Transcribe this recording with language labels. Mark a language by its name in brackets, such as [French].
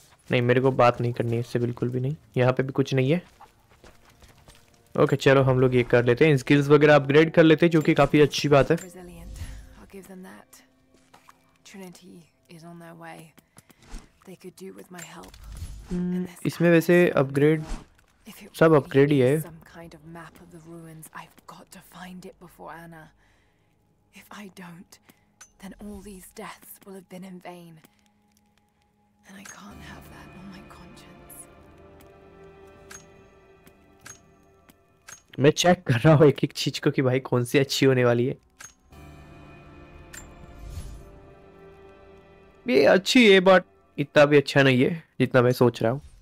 [Hindi] नहीं मेरे को बात नहीं करनी है इससे बिल्कुल भी नहीं। यहाँ पे भी कुछ नहीं है। ओके चलो हम लोग ये कर लेते हैं, स्किल्स वगैरह अपग्रेड कर लेते हैं जो कि काफी अच्छी बात है। इसमें वैसे अपग्रेड सब अपग्रेड ही है। [English] kind of map of the ruins, I've got to find it before Anna. If I don't, then all these deaths will have been in vain. And I can't have that on my conscience. [Hindi] मैं check कर रहा हूँ एक एक चीज को कि भाई कौन सी अच्छी होने वाली है। ये अच्छी है बट इतना भी अच्छा नहीं है जितना मैं सोच रहा हूँ।